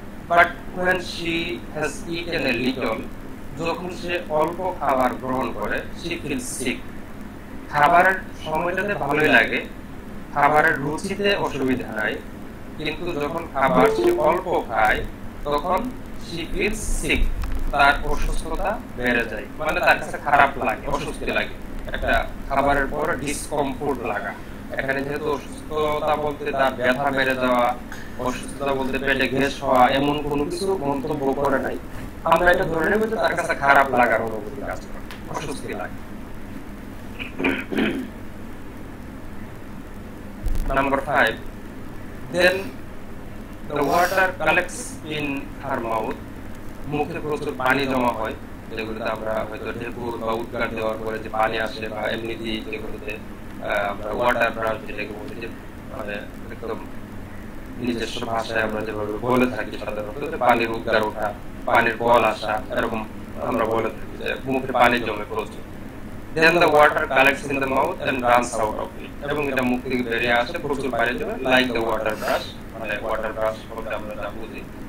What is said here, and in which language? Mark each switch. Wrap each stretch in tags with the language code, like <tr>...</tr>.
<en>but when she has eaten a little,</en> <bn>যখন সে অল্প খাবার গ্রহণ করে</bn> <en>she feel sick,</en> <bn>খাবারের সময়টাতে ভালোই লাগে, খাবারের রুচিতে অসুবিধা নাই কিন্তু যখন খাবার সে অল্প খায় তখন শি ফিল সিক, তার অসুস্থতা বেড়ে যায়, মানে তার কাছে খারাপ লাগে, অসুস্থ লাগে, একটা খাবারের পর ডিসকমফোর্ট লাগা। এখানে যেহেতু অসুস্থতা বলতে তার ব্যথা বেড়ে যাওয়া, অসুস্থতা বলতে পেটে গ্যাস হওয়া এমন কোনো কিছু মন্তব্য করে নাই, আমরা এটা ধরে নেব যে তার কাছে খারাপ লাগার অনুভূতি কাজ করে, অসুস্থ লাগে।</bn> <en>Number 5, then the water collects in her mouth.</en> <bn>মুখে প্রচুর পানি জমা হয়, যেগুলোতে আমরা হয়তো ঢেকুর বা উদ্গার দেওয়ার পরে যে পানি আসে বা এমনি দিয়ে যেগুলোতে আমরা ওয়াটার ব্রাশ যেটাকে বলি, যে মানে একদম নিজস্ব ভাষায় আমরা যেভাবে বলে থাকি সাধারণত পানির উদ্গার ওঠা, পানির বল আসা, এরকম আমরা বলে থাকি যে মুখে পানি জমে প্রচুর।</bn> <en>Then the water collects in the mouth and runs out of it.</en> <bn>এবং এটা মুখ থেকে বেরিয়ে আসে প্রচুর বাইরে জমে,</bn> <en>like the water brash,</en> <bn>মানে ওয়াটার ব্রাশ বলতে আমরা যা বুঝি।</bn>